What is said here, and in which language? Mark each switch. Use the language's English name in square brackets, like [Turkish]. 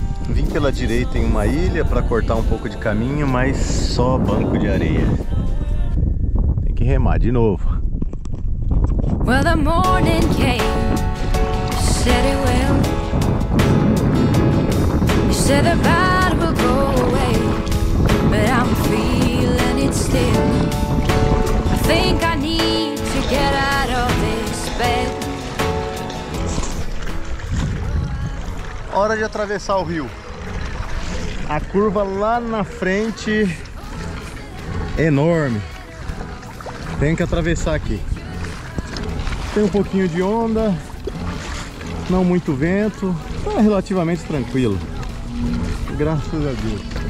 [Portuguese] Vim pela direita em uma ilha para cortar um pouco de caminho, mas só banco de areia. Remar de novo. [English] Well, the morning came, you said it will. You said the bad will go away, but I'm feeling it still. I think I need to get out of this bed. [Portuguese] Hora de atravessar o rio. A curva lá na frente é enorme. Tem que atravessar aqui. Tem um pouquinho de onda, não muito vento, tá relativamente tranquilo. Graças a Deus.